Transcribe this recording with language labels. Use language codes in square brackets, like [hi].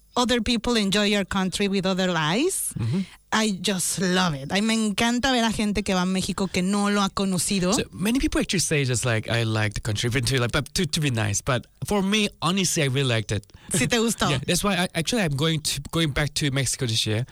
[en] other people enjoy your country with other eyes. Mm-hmm. I just love it. [es] Me encanta ver a gente que va a México que no lo ha conocido. [en] So many people actually say just like, I like the country, but to be nice. But for me, honestly, I really liked it. [es] Si te gustó. [en] Yeah, that's why I'm going back to Mexico this year.